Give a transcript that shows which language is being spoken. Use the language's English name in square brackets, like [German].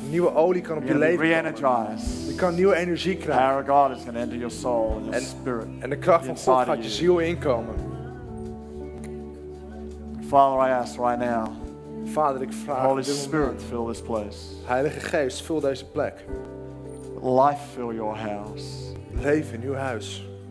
[Dutch] Nieuwe olie kan op je leven komen. [English] Re-energize. [Dutch] Je kan nieuwe energie krijgen. [English] The power of God is going to enter your soul and your spirit. [Dutch] En de kracht van God gaat je ziel inkomen. [English] Father, I ask right now. [Dutch] Vader, ik vraag. [English] Holy Spirit, fill this place. [Dutch] Heilige Geest, vul deze plek. [English] Life, fill your house. [Dutch] Leef in uw huis.